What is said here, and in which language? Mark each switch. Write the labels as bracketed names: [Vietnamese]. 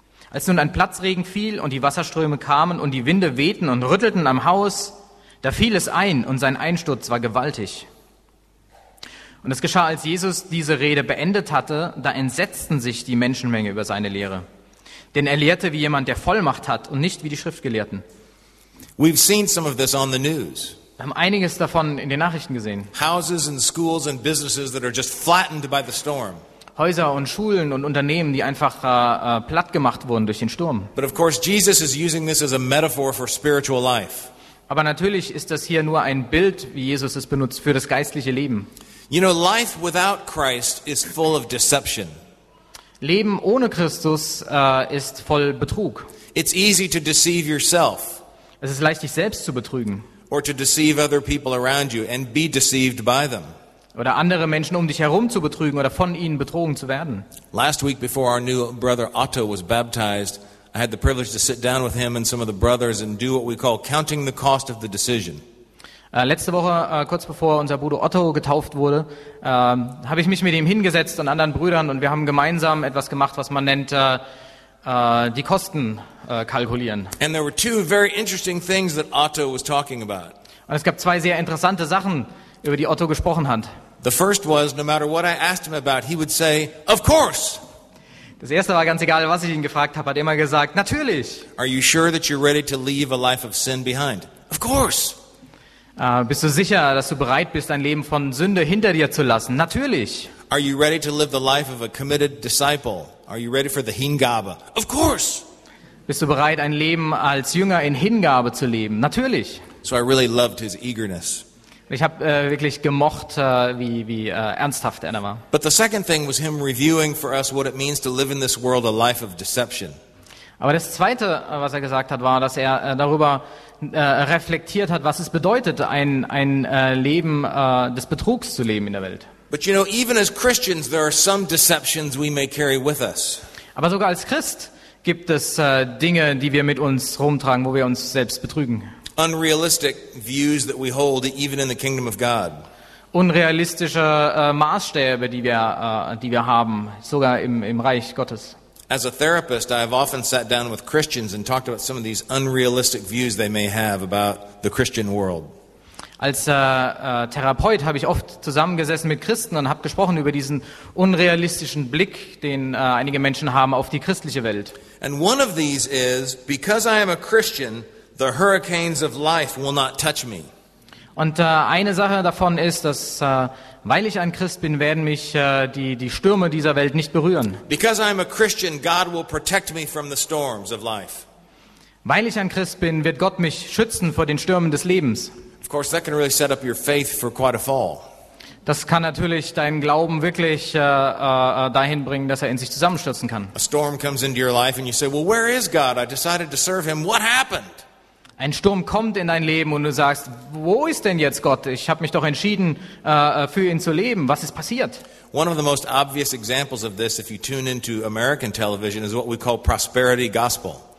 [German] Als nun ein Platzregen fiel und die Wasserströme kamen und die Winde wehten und rüttelten am Haus, da fiel es ein und sein Einsturz war gewaltig. Und es geschah, als Jesus diese Rede beendet hatte, da entsetzten sich die Menschenmenge über seine Lehre. denn er lehrte wie jemand, der Vollmacht hat und nicht wie die Schriftgelehrten. [English] We've seen some of this on the news. [German] Wir haben einiges davon in den Nachrichten gesehen. [English] Houses and schools and businesses that are just flattened by the storm. [German] Häuser und Schulen und Unternehmen, die einfach platt gemacht wurden durch den Sturm. [English] But of course Jesus is using this as a metaphor for spiritual life. [German] Aber natürlich ist das hier nur ein Bild, wie Jesus es benutzt, für das geistliche Leben. [English] You know, life without Christ is full of deception. [German] Leben ohne Christus ist voll Betrug. [English] It's easy to deceive yourself. [German] Es ist leicht, dich selbst zu betrügen. [English] Or to deceive other people around you and be deceived by them. [German] Oder andere Menschen um dich herum zu betrügen oder von ihnen betrogen zu werden. [English] Last week before our new brother Otto was baptized, I had the privilege to sit down with him and some of the brothers and do what we call counting the cost of the decision. [German] Letzte Woche, kurz bevor unser Bruder Otto getauft wurde, habe ich mich mit ihm hingesetzt und anderen Brüdern und wir haben gemeinsam etwas gemacht, was man nennt die Kosten kalkulieren. [English] And there were two very interesting things that Otto was talking about. [German] Und es gab zwei sehr interessante Sachen, über die Otto gesprochen hat. [English] The first was, no matter what I asked him about, he would say, of course. [German] Das erste war, ganz egal, was ich ihn gefragt habe, hat immer gesagt, natürlich. [English] Are you sure that you're ready to leave a life of sin behind? Of course. [German] Bist du sicher, dass du bereit bist, dein Leben von Sünde hinter dir zu lassen? Natürlich. [English] Are you ready to live the life of a committed disciple? Are you ready for the Hingabe? Of course. [German] Bist du bereit, ein Leben als Jünger in Hingabe zu leben? Natürlich. [English] So I really loved his eagerness. [German] Ich habe wirklich gemocht, wie ernsthaft er war. [English] But the second thing was him reviewing for us what it means to live in this world a life of deception. [German] Aber das zweite, was er gesagt hat, war, dass er darüber reflektiert hat, was es bedeutet, ein Leben des Betrugs zu leben in der Welt. [English] But you know, even as Christians, there are some deceptions we may carry with us. [German] Aber sogar als Christ gibt es Dinge, die wir mit uns rumtragen, wo wir uns selbst betrügen. [English] Unrealistic views that we hold, even in the kingdom of God. [German] Unrealistische Maßstäbe, die wir haben, sogar im Reich Gottes. [English] As a therapist, I have often sat down with Christians and talked about some of these unrealistic views they may have about the Christian world. [German] Als Therapeut habe ich oft zusammengesessen mit Christen und habe gesprochen über diesen unrealistischen Blick, den einige Menschen haben auf die christliche Welt. [English] And one of these is, because I am a Christian, the hurricanes of life will not touch me. [German] Und eine Sache davon ist, dass weil ich ein Christ bin, werden mich die Stürme dieser Welt nicht berühren. [English] Because I am a Christian, God will protect me from the storms of life. [German] Weil ich ein Christ bin, wird Gott mich schützen vor den Stürmen des Lebens. [English] Of course, that can really set up your faith for quite a fall. [German] Das kann natürlich deinen Glauben wirklich dahin bringen, dass er in sich zusammenstürzen kann. [English] A storm comes into your life and you say, well, where is God? I decided to serve him. What happened? [German] Ein Sturm kommt in dein Leben und du sagst, wo ist denn jetzt Gott? Ich habe mich doch entschieden, für ihn zu leben. Was ist passiert? [English] One of the most obvious examples of this, if you tune into American television, is what we call prosperity gospel.